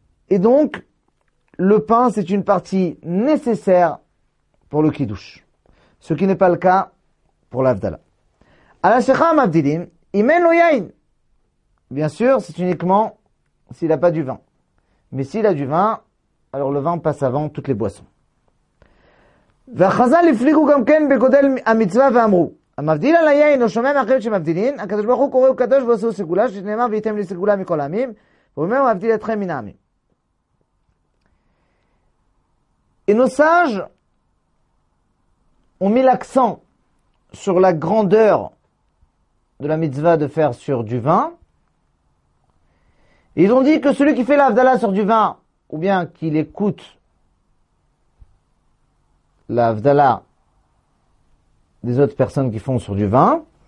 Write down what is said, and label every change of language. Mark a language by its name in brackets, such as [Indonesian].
[French] Et donc, le pain, c'est une partie nécessaire pour le kiddush. Ce qui n'est pas le cas pour l'avdala. [Hebrew] Ala shecha mavdilim, imen lo yain. [French] Bien sûr, c'est uniquement s'il n'a pas du vin. Mais s'il a du vin, alors le vin passe avant toutes les boissons. [Hebrew] Vachazal ifligu gamken begodel amitzvah v'amru. המבדיל על היין או שומם אחרים שמבדילים, הקדוש ברוך הוא קורא הוא קדוש ועושה סגולה, שנאמר ויתם לי סגולה מכל העמים, ואומר הוא מבדיל אתכם מן העמים. [French] Et nos sages ont mis l'accent sur la grandeur de la mitzvah de faire sur du vin. Ils ont dit que celui qui fait l'avdala sur du vin, ou bien qu'il écoute l'avdala des autres personnes qui font sur du vin.